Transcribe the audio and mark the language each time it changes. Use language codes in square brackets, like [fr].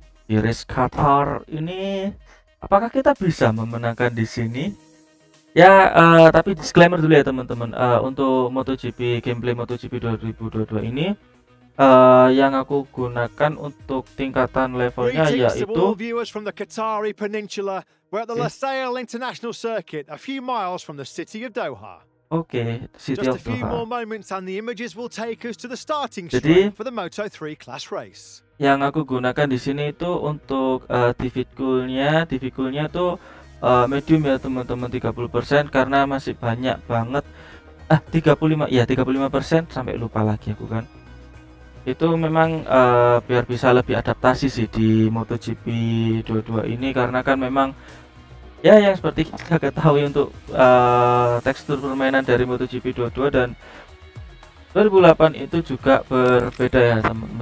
[id] Di race Qatar ini apakah kita bisa memenangkan di sini? Ya, tapi disclaimer dulu ya teman-teman. Untuk MotoGP gameplay MotoGP 2022 ini yang aku gunakan untuk tingkatan levelnya yaitu [en] viewers from the Qatari Peninsula. We're at the Lusail International Circuit, a few miles from the city of Doha. Oke, city of Doha. Just a few more moments and the images will take us to the starting straight for the Moto3 class race. [id] Yang aku gunakan di sini itu untuk TV cool-nya tuh medium ya teman-teman, 30% karena masih banyak banget 35% sampai lupa lagi aku kan. Itu memang biar bisa lebih adaptasi sih di MotoGP 22 ini, karena kan memang ya yang seperti kita ketahui untuk tekstur permainan dari MotoGP 22 dan 2008 itu juga berbeda ya teman-teman.